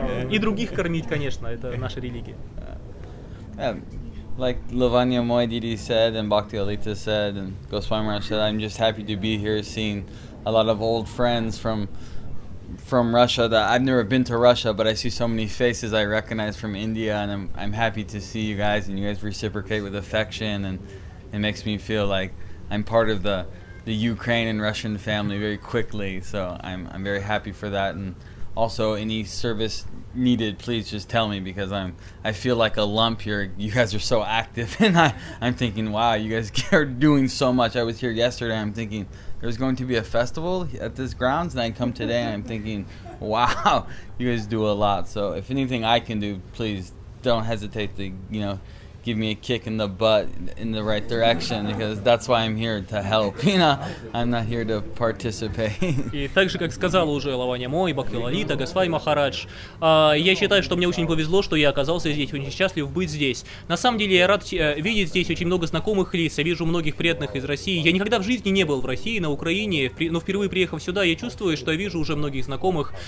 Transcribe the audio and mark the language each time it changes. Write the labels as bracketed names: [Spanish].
[Russian] И других кормить, конечно, это наша религия. [English] Like Lavanya Moedidi said and Bhakti Alita said and Goswami Maharaj said, I'm just happy to be here seeing a lot of old friends from Russia. That I've never been to Russia, but I see so many faces I recognize from India, and I'm happy to see you guys, and you guys reciprocate with affection, and it makes me feel like I'm part of the Ukraine and Russian family very quickly. So I'm very happy for that. And also, any service needed, please just tell me, because I feel like a lump here. You guys are so active, and I'm thinking, wow, you guys are doing so much. I was here yesterday, I'm thinking there's going to be a festival at this grounds, and I come today and I'm thinking, wow, you guys do a lot. So if anything I can do, please don't hesitate to, you know, give me a kick in the butt in the right direction, because that's why I'm here, to help, you know? I'm not here to participate. [Russian] И так же, как сказал уже Лаванья Мой, Бхакти Лалита, Госвами Махарадж, я считаю, что мне очень повезло, что я оказался здесь, очень счастлив быть здесь. На самом деле, я рад видеть здесь очень много знакомых лиц, я вижу многих преданных из России. Я никогда в жизни не был в России, на Украине, но впервые приехав сюда, я чувствую, что я вижу уже многих знакомых.